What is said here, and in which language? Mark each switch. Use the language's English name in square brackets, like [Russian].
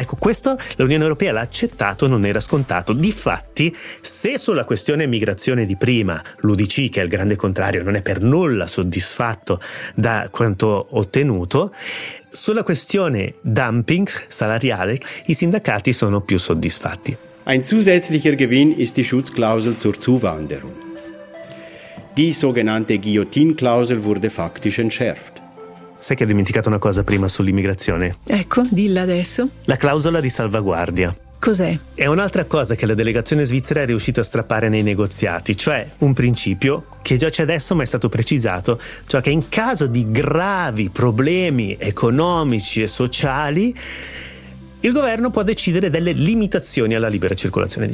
[Italian] Ecco, questo l'Unione Europea l'ha accettato, non era scontato. Difatti, se sulla questione migrazione di prima l'UDC, che è il grande contrario, non è per nulla soddisfatto da quanto ottenuto, sulla questione dumping salariale i sindacati sono più soddisfatti. [German] Ein zusätzlicher Gewinn ist die Schutzklausel zur Zuwanderung. Die sogenannte Guillotine-Klausel wurde faktisch entschärft. [Italian] Sai che hai dimenticato una cosa prima sull'immigrazione? Ecco, dilla adesso. La clausola di salvaguardia. Cos'è? È un'altra cosa che la delegazione svizzera è riuscita a strappare nei negoziati, cioè un principio che già c'è adesso ma è stato precisato, cioè che in caso di gravi problemi economici e sociali il governo può decidere delle limitazioni alla libera circolazione.